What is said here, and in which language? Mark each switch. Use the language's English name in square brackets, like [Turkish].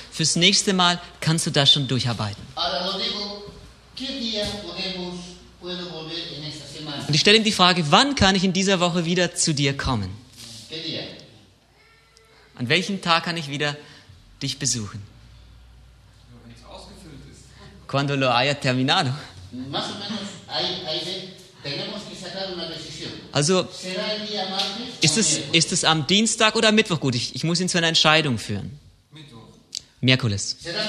[German] Fürs nächste Mal kannst du das schon durcharbeiten. Und ich stelle ihm die Frage, wann kann ich in dieser Woche wieder zu dir kommen? An welchem Tag kann ich wieder dich besuchen? Wenn es ausgefüllt ist. [Spanish] Cuando lo haya terminado. Más o menos, ahí tenemos que sacar una decisión. [German] Also, ist es am Dienstag oder Mittwoch? Gut, ich muss ihn zu einer Entscheidung führen. Merkules.